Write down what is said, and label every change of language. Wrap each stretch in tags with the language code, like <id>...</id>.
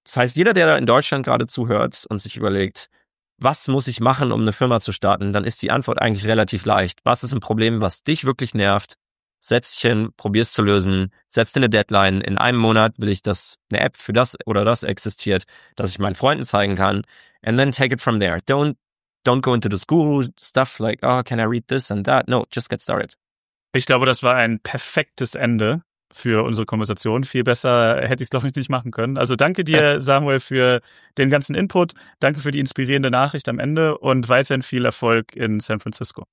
<de>Das heißt, jeder, der da in Deutschland gerade zuhört und sich überlegt, was muss ich machen, um eine Firma zu starten? Dann ist die Antwort eigentlich relativ leicht. Was ist ein Problem, was dich wirklich nervt? Setz dich hin, probier es zu lösen. Setz dir eine Deadline. In einem Monat will ich, dass eine App für das oder das existiert, dass ich meinen Freunden zeigen kann.</de> <en>And then take it from there. Don't go into this guru stuff like, oh, can I read this and that? No, just get started.</en> <de>Ich glaube, das war ein perfektes Ende für unsere Konversation. Viel besser hätte ich es, glaube ich, nicht machen können. Also danke dir, Samuel, für den ganzen Input. Danke für die inspirierende Nachricht am Ende und weiterhin viel Erfolg in San Francisco.</de>